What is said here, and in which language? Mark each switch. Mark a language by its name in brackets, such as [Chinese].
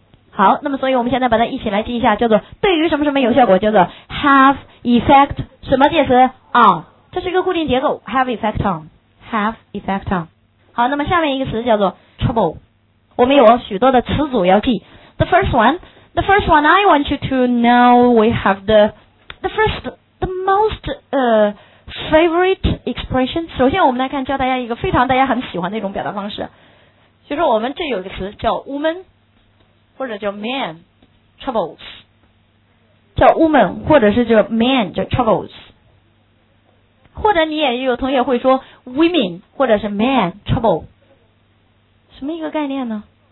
[Chinese] 好，那么所以我们现在把它一起来记一下，叫做对于什么什么有效果，叫做 have effect 什么介词 on， 这是一个固定结构 [English] have effect on， [Chinese] have effect on。好，那么下面一个词叫做 trouble， 我们有许多的词组要记。 [English] The first one I want you to know we have the most favorite expression。 [Chinese] 首先我们来看，教大家一个非常大家很喜欢的一种表达方式，就是我们这有一个词叫 woman 或者叫 man troubles， 叫 woman 或者是叫 man 叫 troubles， 或者你也有同学会说 women 或者是 man trouble， 什么一个概念呢？